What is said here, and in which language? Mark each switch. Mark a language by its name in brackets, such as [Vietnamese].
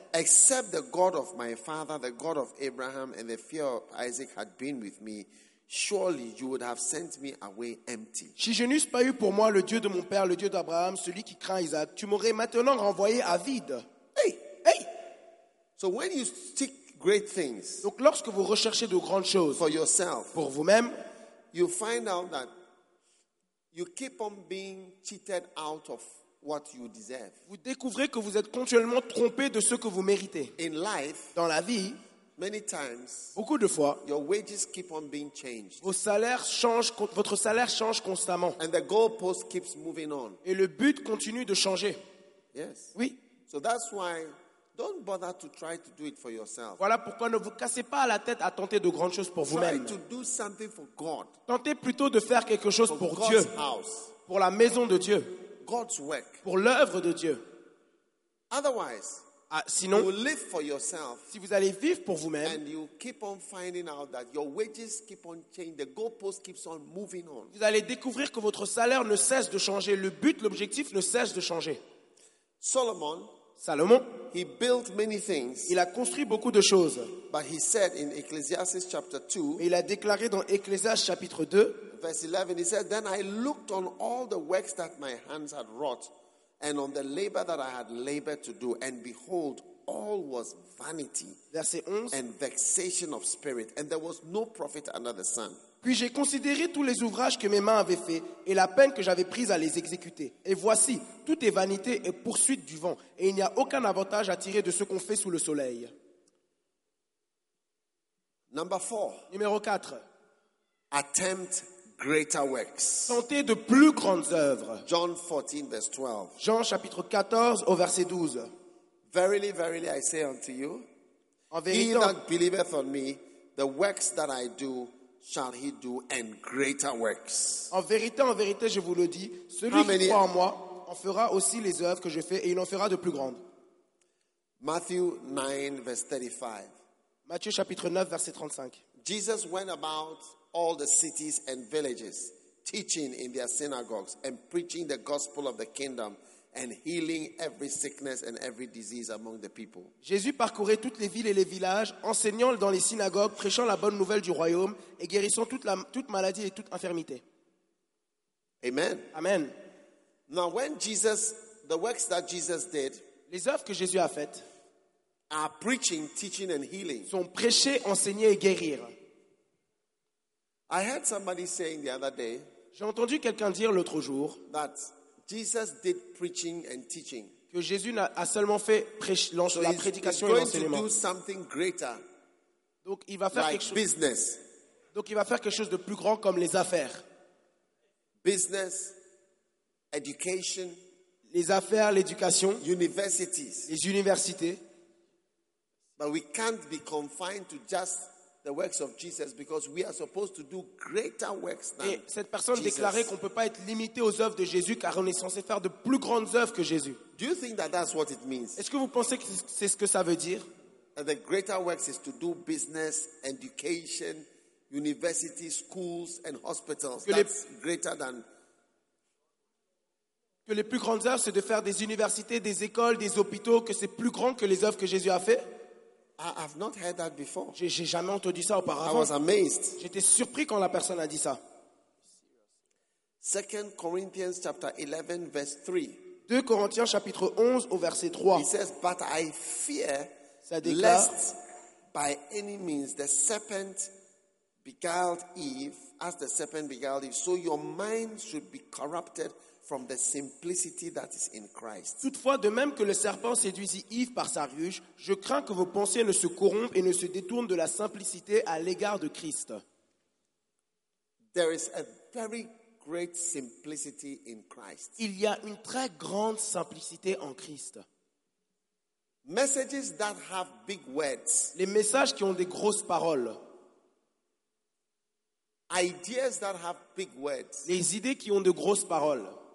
[English] Except the God of my father, the God of Abraham, and the fear of Isaac had been with me, surely you would have sent me away empty. [French] Si je n'eusse pas eu pour moi le Dieu de mon père, le Dieu d'Abraham, celui qui craint Isaac, tu m'aurais maintenant renvoyé à vide. Hey, hey. [English] So when you seek great things, [French] donc lorsque vous recherchez de grandes choses [English] for yourself, [French] pour vous-même, [English] you find out that you keep on being cheated out of what you deserve. [French] Vous découvrez que vous êtes continuellement trompé de ce que vous méritez. [English] In life, [French] dans la vie, [English] many times, [French] beaucoup de fois, [English] your wages keep on being changed. [French] Votre salaire change constamment. [English] And the goalpost keeps moving on. [French] Et le but continue de changer. [English] Yes. [French] Oui. [English] So that's why don't bother to try to do it for yourself. [French] Voilà pourquoi ne vous cassez pas la tête à tenter de grandes choses pour vous-même. [English] Try to do something for God. [French] Tentez plutôt de faire quelque chose pour [English] God's [French] Dieu. [English] House. [French] Pour la maison de Dieu. [English] God's work. [French] Pour l'œuvre de Dieu. [English] Otherwise, [French] sinon, [English] you live for yourself, [French] si vous allez vivre pour vous-même, [English] and you keep on finding out that your wages keep on changing, the goalpost keeps on moving on. [French] Vous allez découvrir que votre salaire ne cesse de changer, le but, l'objectif ne cesse de changer. [English] Solomon, he built many things. [French] Il a construit beaucoup de choses. [English] But he said in Ecclesiastes chapter 2, [French] il a déclaré dans Ecclésiaste chapitre 2, [English] verse 11, he said, then I looked on all the works that my hands had wrought, and on the labor that I had labored to do, and behold, all was vanity and vexation of spirit, and there was no profit under the sun. [French] Puis j'ai considéré tous les ouvrages que mes mains avaient faits et la peine que j'avais prise à les exécuter. Et voici, tout est vanité et poursuite du vent, et il n'y a aucun avantage à tirer de ce qu'on fait sous le soleil. [English] Number four. [French] Numéro 4. [English] Attempt greater works. [French] Tentez de plus grandes œuvres. [English] John 14, verse 12. [French] Jean chapitre 14 au verset 12. [English] Verily, verily, I say unto you, [French] en vérité, [English] he that believeth on me, the works that I do, shall he do, and greater works. [French] En vérité, je vous le dis, celui qui croit en moi en fera aussi les œuvres que je fais, et il en fera de plus grandes. [English] Matthew 9, verse 35. [French] Matthieu chapitre 9, verset 35. [English] Jesus went about all the cities and villages, teaching in their synagogues and preaching the gospel of the kingdom and healing every sickness and every disease among the people. [French] Jésus parcourait toutes les villes et les villages, enseignant dans les synagogues, prêchant la bonne nouvelle du royaume et guérissant toute maladie et toute infirmité. [English] Amen. [French] Amen. [English] Now when Jesus, the works that Jesus did, [French] les œuvres que Jésus a faites, [English] are preaching, teaching and healing, [French] sont prêcher, enseigner et guérir. [English] I heard somebody saying the other day, [French] j'ai entendu quelqu'un dire l'autre jour, [English] that Jesus did preaching and teaching. [French] Que Jésus a seulement fait la prédication et l'enseignement. [English] He's going to do something greater. [French] Donc il va faire [English] like [French] quelque chose. [English] Business. [French] Donc il va faire quelque chose de plus grand comme les affaires. [English] Business, education, [French] les affaires, l'éducation, [English] universities. [French] Les universités. [English] But we can't be confined to just the works of Jesus, because we are supposed to do greater works than [French] Jesus. Et cette personne déclarait qu'on peut pas être limité aux œuvres de Jésus, car on est censé faire de plus grandes œuvres que Jésus. [English] Do you think that that's what it means? [French] Est-ce que vous pensez que c'est ce que ça veut dire? [English] And the greater works is to do business, education, universities, schools, and hospitals. That's greater than. [French] Que les plus grandes œuvres c'est de faire des universités, des écoles, des hôpitaux, que c'est plus grand que les œuvres que Jésus a fait? [English] I've not heard that before. [French] J'ai jamais entendu ça auparavant. [English] I was amazed. [French] J'étais surpris quand la personne a dit ça. [English] 2 Corinthians chapter 11 verse 3. [French] 2 Corinthiens chapitre 11 au verset 3. [English] He says, but I fear, [French] ça déclare, [English] lest by any means the serpent beguiled Eve, as the serpent beguiled Eve, so your mind should be corrupted from the simplicity that is in Christ. [French] Toutefois, de même que le serpent séduisit Eve par sa ruche, je crains que vos pensées ne se corrompent et ne se détournent de la simplicité à l'égard de Christ. [English] There is a very great simplicity in Christ. [French] Il y a une très grande simplicité en Christ. [English] Messages that have big words. [French] Les messages qui ont des grosses paroles. [English] Ideas that have big words. [French] Les idées qui ont de grosses paroles.